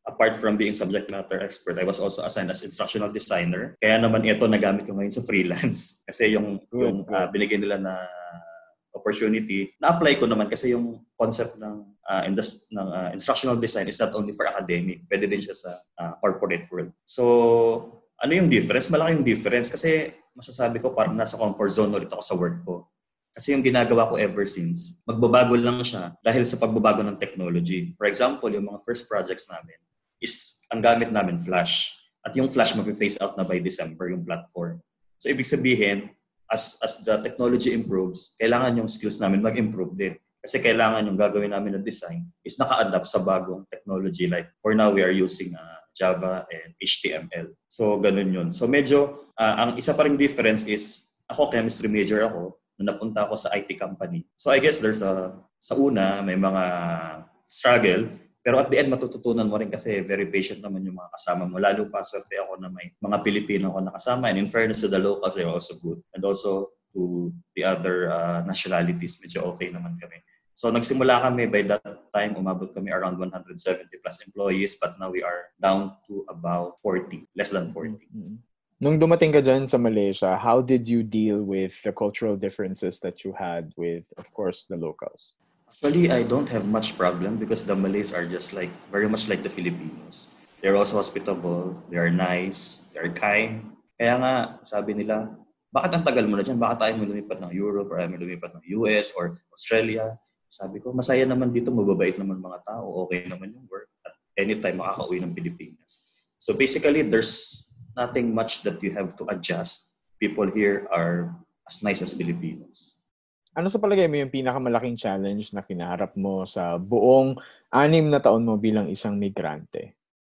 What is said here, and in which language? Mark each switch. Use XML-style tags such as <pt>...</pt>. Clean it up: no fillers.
<en>Apart from being subject matter expert, I was also assigned as instructional designer.</en> <tl>Kaya naman ito, nagamit ko ngayon sa freelance. Kasi yung binigyan nila na opportunity, na-apply ko naman kasi yung concept ng instructional design is not only for academic. Pwede din siya sa corporate world. So, ano yung difference? Malaki yung difference kasi masasabi ko parang nasa comfort zone ulit ako sa work ko. Kasi yung ginagawa ko ever since, magbabago lang siya dahil sa pagbabago ng technology. For example, yung mga first projects namin is ang gamit namin Flash. At yung Flash mag-phase out na by December yung platform. So ibig sabihin, as the technology improves, kailangan yung skills namin mag-improve din. Kasi kailangan yung gagawin namin ng design is naka-adapt sa bagong technology.</tl> <en>Like for now, we are using Java and HTML.</en> <tl>So, ganun yun. So, medyo, ang isa pa rin difference is, ako, chemistry major ako, nung napunta ako sa IT company. So, I guess there's sa una, may mga struggle, pero at the end, matututunan mo rin kasi very patient naman yung mga kasama mo. Lalo pa, swerte ako na may mga Pilipino ako nakasama.</tl> <en>And in fairness to the locals, they're also good. And also, to the other nationalities, medyo okay naman kami. So, nagsimula kami, by that time, umabot kami around 170 plus employees, but now we are down to about 40, less than 40. Nung dumating ka dyan sa Malaysia, how did you deal with the cultural differences that you had with, of course, the locals? Actually, I don't have much problem because the Malays are just like, very much like the Filipinos. They're also hospitable, they are nice, they're kind.</en> <tl>Kaya nga, sabi nila, bakit ang tagal mo na dyan? Bakit tayo may lumipat ng Europe or may lumipat ng US or Australia? Sabi ko, masaya naman dito, mababait naman mga tao, okay naman yung work, at anytime makaka-uwi ng Pilipinas.</tl> <en>So basically, there's nothing much that you have to adjust. People here are as nice as Filipinos.</en> <tl>Ano sa palagay mo yung pinakamalaking challenge na kinaharap mo sa buong 6 na taon mo bilang isang migrante?</tl>